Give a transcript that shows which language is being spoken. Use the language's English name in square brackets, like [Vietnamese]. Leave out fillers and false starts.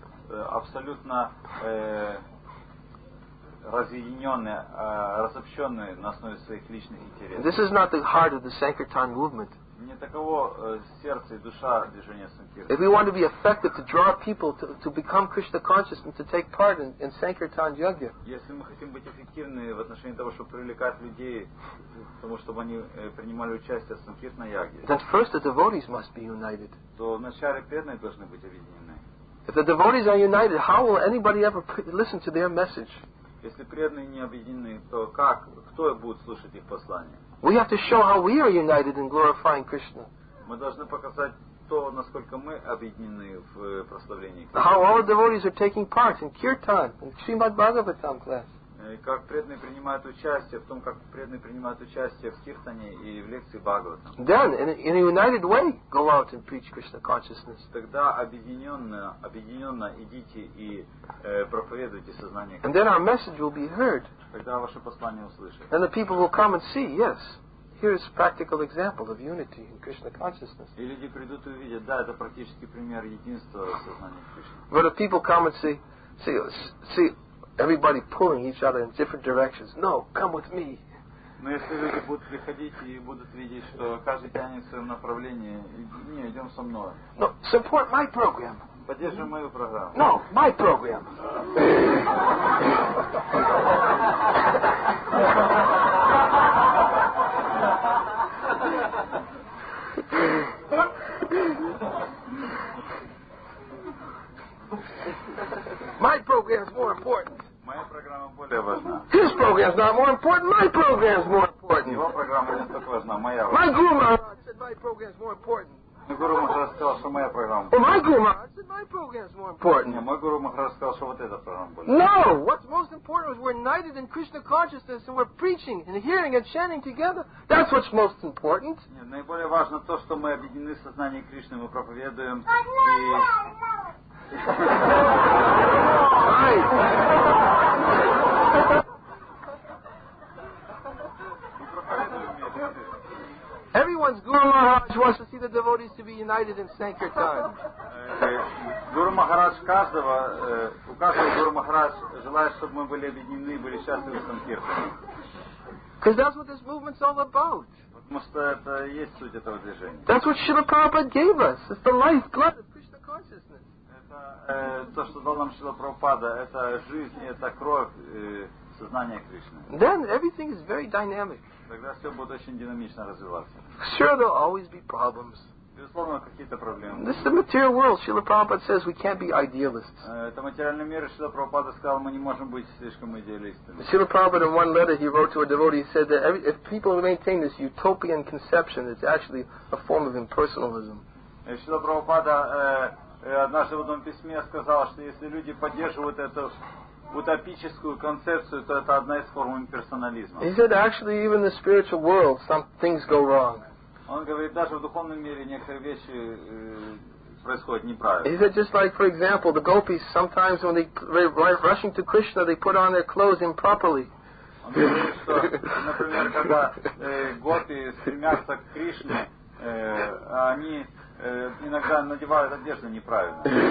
[Russian] Абсолютно разъединенные, разобщенные на основе своих личных интересов. [English] This is not the heart of the Sankirtan movement. [Russian] Не таково сердце и душа движения Sankirtan. [English] If we want to be effective to draw people to become Krishna conscious and to take part in Sankirtan Yagya. [Russian] Если мы хотим быть эффективны в отношении того, чтобы привлекать людей, потому чтобы они принимали участие в Sankirtan Yagya. [English] Then first the devotees must be united. [Russian] То вначале преданные должны быть объединены. [English] If the devotees are united, how will anybody ever listen to their message? [Russian] Если преданные не объединены, то как, кто будет слушать их послание? [English] We have to show how we are united in glorifying Krishna. [Russian] Мы должны показать то, насколько мы объединены в прославлении Кришны. [English] How all the devotees are taking part in Kirtan, in Srimad Bhagavatam class. [Russian] Как преданные принимают участие в том, как преданные принимают участие в Киртане и в лекции Бхагаватам. [English] Then, in a united way, go out and preach Krishna consciousness. [Russian] Тогда объединенно идите и проповедуйте сознание [English] Кришны. And then our message will be heard. [Russian] Тогда ваше послание услышат. [English] Then the people will come and see, yes, here is a practical example of unity in Krishna consciousness. [Russian] И люди придут и увидят, да, это практический пример единства сознания Кришны. [English] But if people come and see, everybody pulling each other in different directions. No, come with me. [Russian] Но если люди будут приходить и будут видеть, что каждый тянет в своем направлении, не, идем со мной. [English] No, support my program. [Russian] Поддержим мою программу. [English] No, my program. My program is more important. His program is not more important. My program is more important. [Russian] Его программа не так важна, моя. [English] My Guru Maharaj said my program is more important. [Russian] Мой Гуру Махарадж сказал, что моя программа. [English] Oh, my Guru Maharaj said my program is more important. [Russian] Нет, мой Гуру Махарадж сказал, что вот эта программа более. [English] No, what's most important is we're united in Krishna consciousness and we're preaching and hearing and chanting together. That's what's most important. [Russian] Нет, наиболее важно то, что мы объединены в сознании Кришны, мы проповедуем и. [English] Everyone's Guru Maharaj wants to see the devotees to be united in Sankirtan. [Russian] Guru Maharaj каждого, у каждого Guru Maharaj желает, чтобы мы были объединены и были счастливы в Sankirtan. [English] Because that's what this movement's all about. [Russian] Потому что это есть суть этого движения. [English] That's what Srila Prabhupada gave us. It's the lifeblood of Krishna consciousness. [Russian] То, что дал нам Шрила Прабхупада, это жизнь, это кровь сознания Кришны. [English] Then everything is very dynamic. [Russian] Тогда все будет очень динамично развиваться. [English] Sure, there'll always be problems. [Russian] Безусловно, какие-то проблемы. [English] This is the material world. Шрила Прабхупада says we can't be idealists. [Russian] Это материальный мир. Шрила Прабхупада сказал, мы не можем быть слишком идеалистами. [English] Шрила Прабхупада in one letter he wrote to a devotee, he said that if people maintain this utopian conception, it's actually a form of impersonalism. [Russian] Шрила Прабхупада однажды в одном письме сказал, что если люди поддерживают эту утопическую концепцию, то это одна из форм имперсонализма. [English] He said, actually, even in the spiritual world, some things go wrong. [Russian] Он говорит, даже в духовном мире некоторые вещи происходят неправильно. [English] He said, just like, for example, the gopis, sometimes when they're rushing to Krishna, they put on their clothes improperly. [Russian] Он говорит, что, например, когда гопи стремятся к Кришне, они иногда надевают одежду неправильно.